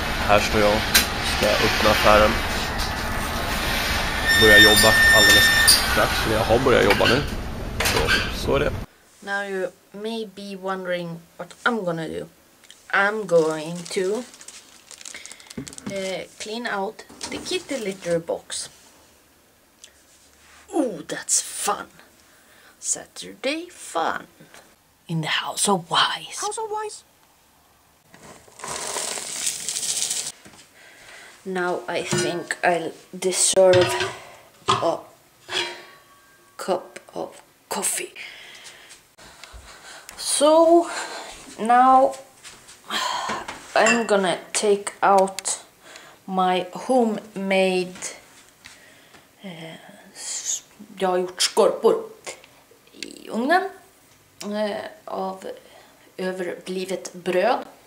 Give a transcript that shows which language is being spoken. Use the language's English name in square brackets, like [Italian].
[Swedish] Här står jag, ska öppna affären. Börja jobba alldeles strax, för jag har börjat jobba nu. Så är det. [English] Now you may be wondering what I'm gonna do. I'm going to clean out the kitty litter box. Oh, that's fun. Saturday fun. In the House of Wise. House of Wise. Now I think I deserve a cup of coffee. So now I'm gonna take out my homemade [Swedish] jag har gjort skorpor I ugnen av överblivet bröd.